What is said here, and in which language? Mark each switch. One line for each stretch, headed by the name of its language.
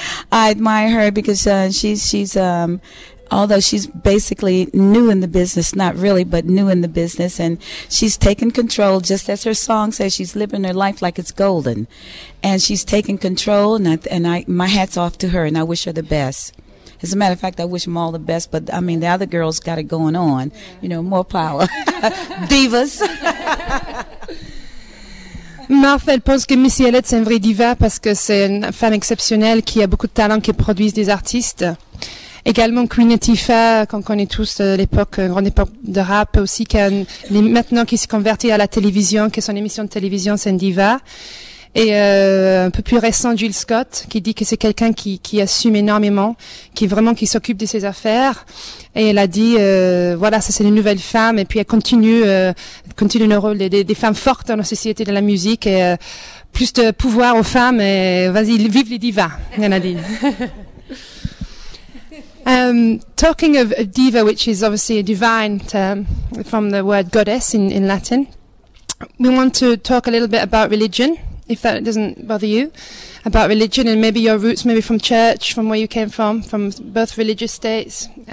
English: I admire her because she's although she's basically new in the business, not really, but new in the business, and she's taken control, just as her song says, she's living her life like it's golden. And she's taken control, and I my hat's off to her, and I wish her the best. As a matter of fact, I wish them all the best, but, I mean, the other girls got it going on. You know, more power. Divas.
French: Martha, elle pense que Missy Elliott, c'est une vraie diva parce que c'est une femme exceptionnelle qui a beaucoup de talent, qui produit des artistes. Également, Queen Latifah, qu'on connaît tous l'époque, grande époque de rap aussi, maintenant qui s'est convertie à la télévision, que son émission de télévision, c'est une diva. Et un peu plus récent, Jill Scott, qui dit que c'est quelqu'un qui assume énormément, qui s'occupe de ses affaires. Et elle a dit, voilà, ça c'est une nouvelle femme. Et puis elle continue le rôle des femmes fortes dans la société de la musique. Et plus de pouvoir aux femmes, et vas-y, vive les divas, elle a dit.
English: Talking of a diva, which is obviously a divine term from the word goddess in Latin, we want to talk a little bit about religion. If that doesn't bother you, about religion and maybe your roots, maybe from church, from where you came from both religious states.